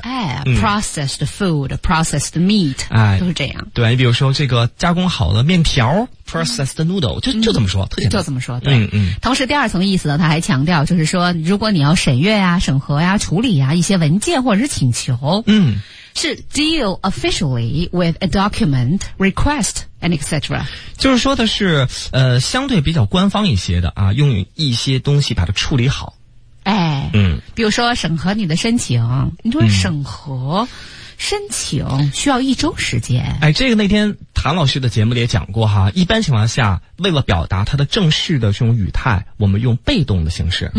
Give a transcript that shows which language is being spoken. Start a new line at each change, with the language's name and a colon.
English: 哎，嗯，processed food， processed meat，
Chinese: 哎，都是这样。对，你比如说这个加工好的面条。
English: Processed noodle，
Chinese: 嗯，就这么说，特简单，就这么说，对，嗯嗯。同时，第二层意思呢，他还强调，就是说，如果你要审阅呀、啊、审核呀、啊、处理呀、啊、一些文件或者是请求，嗯，是
English: deal officially with a document request and etc.
Chinese: 就是说的是，相对比较官方一些的啊，用一些东西把它处理好。哎，嗯，比如说审核你的申请，你说审核。嗯申请需要一周时间。哎，这个那天谭老师的节目里也讲过哈，一般情况下，为了表达它的正式的这种语态，我们用被动的形式。